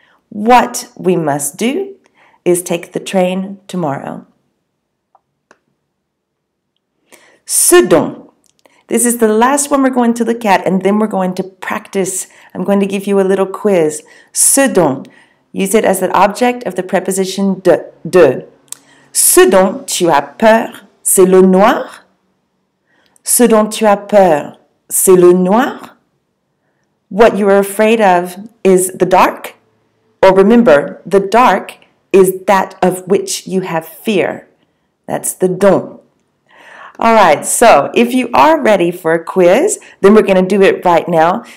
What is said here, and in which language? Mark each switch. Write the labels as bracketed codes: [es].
[en] What we must do is take the train tomorrow. Ce dont. This is the last one we're going to look at, and then we're going to practice. I'm going to give you a little quiz. Ce dont. Use it as the object of the preposition de. [fr] Ce dont tu as peur, c'est le noir? Ce dont tu as peur, c'est le noir? [en] What you are afraid of is the dark? Or remember, the dark is that of which you have fear. That's the dont. All right, so if you are ready for a quiz, then we're going to do it right now.